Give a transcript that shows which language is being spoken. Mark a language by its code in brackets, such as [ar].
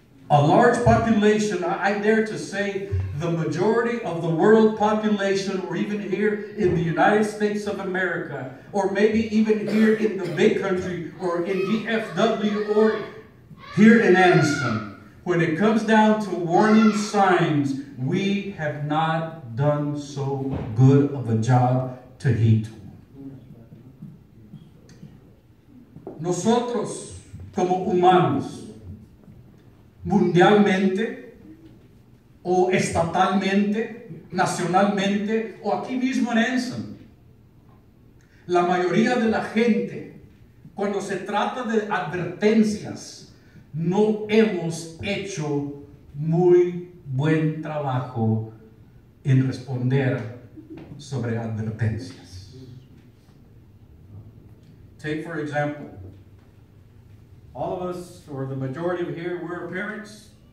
[en] A large population, I dare to say, the majority of the world population, or even here in the United States of America, or maybe even here in the big country, or in DFW, or here in Anson, when it comes down to warning signs, we have not done so good of a job to heed to. [es] Nosotros, como humanos, mundialmente, o estatalmente, nacionalmente, o aquí mismo en Anson, la mayoría de la gente, cuando se trata de advertencias, no hemos hecho muy buen trabajo en responder sobre advertencias. [en] Take for example, all of us, or the majority of here, we're parents.